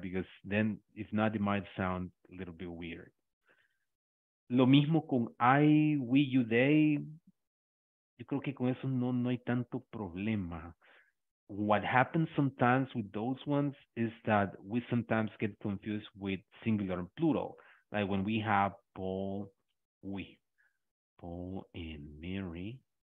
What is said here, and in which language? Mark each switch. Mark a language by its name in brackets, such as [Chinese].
[English] Because then, if not, it might sound a little bit weird. [Spanish] Lo mismo con I, we, you, they. Yo creo que con eso no hay tanto problema. [English] What happens sometimes with those ones is that we sometimes get confused with singular and plural. Like when we have Paul, we. Paul and Mary.